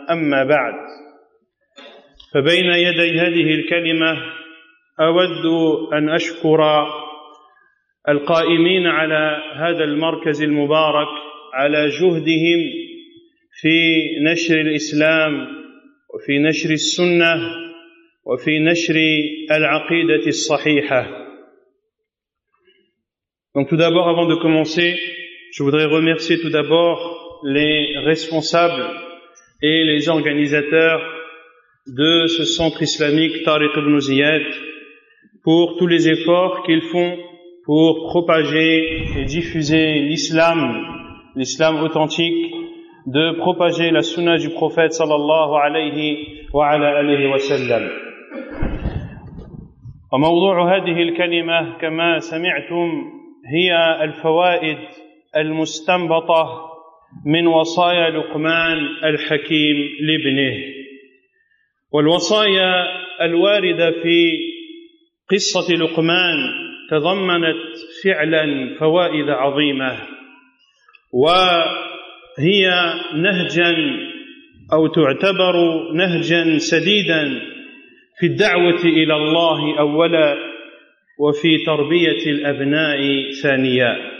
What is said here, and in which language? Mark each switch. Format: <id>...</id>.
<ar>أما بعد، فبين يدي هذه الكلمة أود أن أشكر القائمين على هذا المركز المبارك على جهدهم في نشر الإسلام وفي نشر السنة وفي نشر العقيدة الصحيحة.</ar> <fr>Donc tout d'abord, avant de commencer, je voudrais remercier tout d'abord les responsables et les organisateurs de ce centre islamique Tariq ibn Ziyad pour tous les efforts qu'ils font pour propager et diffuser l'islam, l'islam authentique, de propager la sunna du prophète</fr> <ar>sallallahu alayhi wa ala alihi wa sallam. وموضوع هذه الكلمة كما سمعتم هي الفوائد المستنبطة من وصايا لقمان الحكيم لابنه. والوصايا الواردة في قصة لقمان تضمنت فعلا فوائد عظيمة، و هي نهجا أو تعتبر نهجا سديدا في الدعوة إلى الله أولا وفي تربية الأبناء ثانيا.</ar>